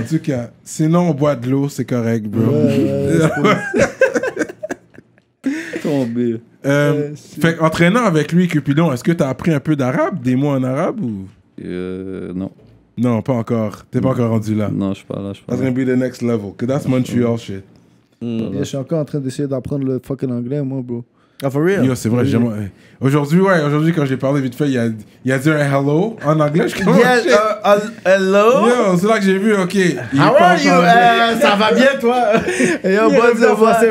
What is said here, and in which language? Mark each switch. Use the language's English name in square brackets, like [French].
[French] En tout cas, sinon on boit de l'eau, c'est correct, bro. Tombé. Fait qu'entraînant avec lui, Cupidon, est-ce que t'as appris un peu d'arabe, des mots en arabe ou... Non. Non, pas encore. T'es pas encore rendu là. Non, je suis pas là. [English] That's gonna be the next level, cause that's Montreal shit. Mmh. [French] Je suis encore en train d'essayer d'apprendre le fucking anglais, moi, bro. [English] Ah, for real? [French] Yo, c'est vrai. Aujourd'hui, quand j'ai parlé vite fait, il a dit un hello en anglais. [English] Hello? [French] Yo, c'est là que j'ai vu, OK. [English] How are you? [French] Ça va bien, toi? Yo, bon, c'est